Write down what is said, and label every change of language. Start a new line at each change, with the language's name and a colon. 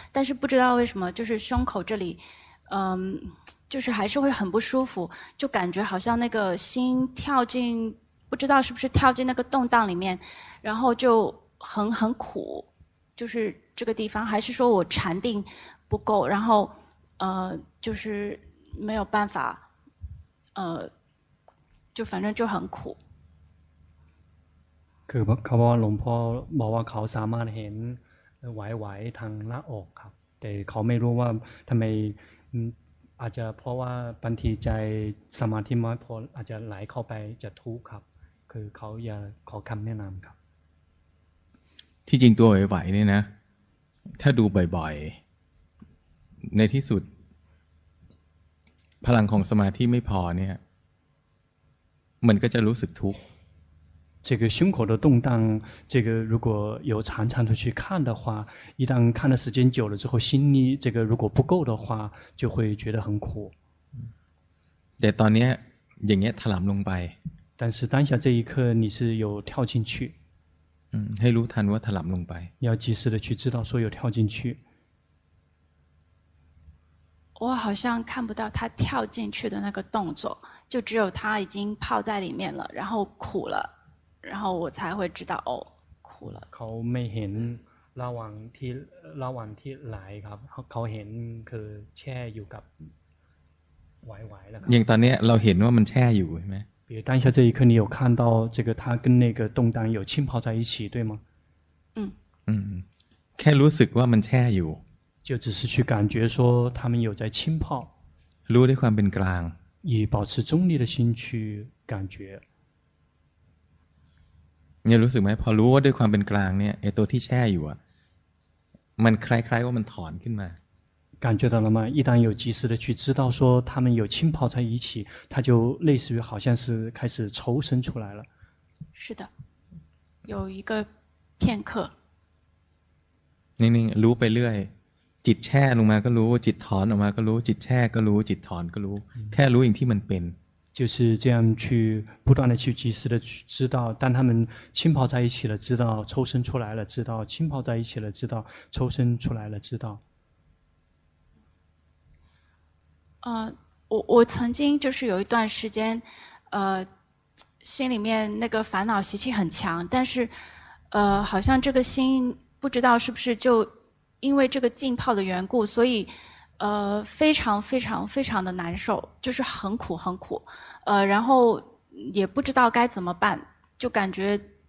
Chinese: 但是不知道为什么，就是胸口这里。就是还是会很不舒服，就感觉好像那个心跳进，不知道是不是跳进那个动荡里面，然后就很苦，就是这个地方，还是说我禅定不够，然后就是没有办法，就反正就很苦。
Thai: เขาบอกว่าหลวงพ่อบอกว่าเขาสามารถเห็นไหวๆทางหน้าอกครับแต่เขาไม่รู้ว่าทำไมอาจจะเพราะว่าบางทีใจสมาธิน้อยพออาจจะไหลเข้าไปจะทุกข์ครับคือเขาอยากขอคำแนะนำครับ ที่จริงตัวไหวๆนี่นะถ้าดูบ่อยๆในที่สุดพลังของสมาธิไม่พอเนี่ยมันก็จะรู้สึกทุกข์
Chinese: 这个胸口的动荡，这个如果有常常的去看的话，一旦看的时间久了之后，心力这个如果不够的话，就会觉得很苦。
Thai: แต่ตอนนี้อย่างเงี้ยถลำลงไป。
Chinese: 但是当下这一刻你是有跳进去。
Thai: ให้รู้ทันว่าถลำลงไป。
Chinese: 要及时的去知道说有跳进去。我好像看不到他跳进去的那个动作，就只有他已经泡在里面了，然后苦了。然后我才会知道哦，哭了。
Thai: เขาไม่เห็นระหว่างที่ไหลครับเขาเห็นคือแช่อยู่กับไหวๆแล้วครับอ ย่างตอนนี้เราเห็นว่ามันแช่อยู่ใช่ไหม
Chinese: 比如当下这一刻你有看到这个它跟那个动荡有浸泡在一起对吗嗯
Thai: 嗯แค่รู้สึกว่ามันแช่อยู่
Chinese: 就只是去感觉说它们有在浸泡
Thai: รู้ด้วยความเป็นกลาง
Chinese: 以保持中立的心去感觉
Thai: เนี่ยรู้สึกไหมพอรู้ว่าด้วยความเป็นกลางเนี่ยไอ้ตัวที่แช่อยู่อ่ะมันคล้ายๆว่ามันถอนขึ้นมา
Chinese: 感觉到了吗一旦有及时的去知道说他们有浸泡在一起它就类似于好像是开始抽身出来了是的有一个片刻
Thai: นิ่งๆรู้ไปเรื่อยจิตแช่ลงมาก็รู้จิตถอนออกมาก็รู้จิตแช่ก็รู้จิตถอนก็รู้แค่รู้อย่างที่มันเป็น
Chinese: 就是这样去不断的去及时的去知道当他们浸泡在一起了知道抽身出来了知道浸泡在一起了知道抽身出来了知道我曾经就是有一段时间心里面那个烦恼习气很强但是好像这个心不知道是不是就因为这个浸泡的缘故所以非常非常非常的难受就是很苦很苦然后也不知道该怎么办就感觉